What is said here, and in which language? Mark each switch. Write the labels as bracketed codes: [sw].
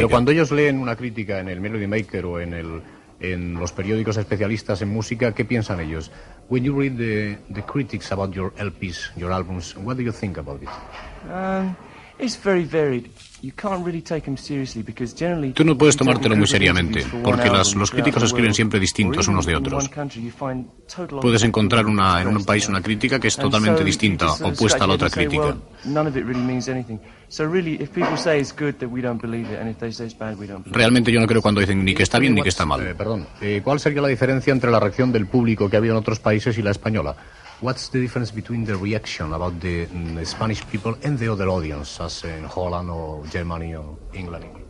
[es] Pero cuando ellos leen una crítica en el Melody Maker o en los periódicos especialistas en música, ¿qué piensan ellos? [en] When you read the critics about your LPs, your albums, what do you think about it? It's very varied. You can't really take them seriously because generally. [es] Tú no puedes tomártelo muy seriamente, porque los críticos escriben siempre distintos unos de otros. Puedes encontrar en un país una crítica que es totalmente distinta, opuesta a la otra crítica. Realmente yo no creo cuando dicen ni que está bien ni que está mal. Perdón. ¿Cuál sería la diferencia entre la reacción del público que ha habido en otros países y la española? [en] What's the difference between the reaction about the Spanish people and the other audience, as in Holland or Germany or England?